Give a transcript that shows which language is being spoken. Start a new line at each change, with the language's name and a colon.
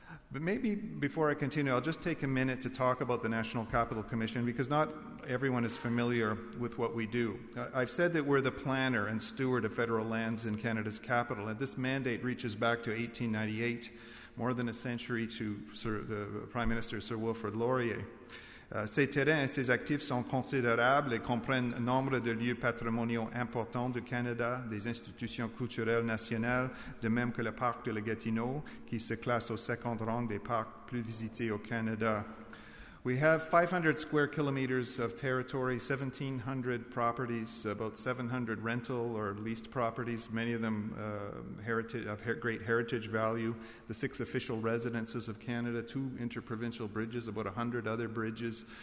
English: But maybe before I continue, I'll just take a minute to talk about the National Capital Commission, because not everyone is familiar with what we do. I've said that we're the planner and steward of federal lands in Canada's capital, and this mandate reaches back to 1898, more than a century to the Prime Minister Sir Wilfrid Laurier.
French: Ces terrains et ces actifs sont considérables et comprennent nombre de lieux patrimoniaux importants du Canada, des institutions culturelles nationales, de même que le parc de la Gatineau, qui se classe au second rang des parcs plus visités au Canada.
English: We have 500 square kilometers of territory, 1,700 properties, about 700 rental or leased properties, many of them great heritage value, the six official residences of Canada, two interprovincial bridges, about 100 other bridges.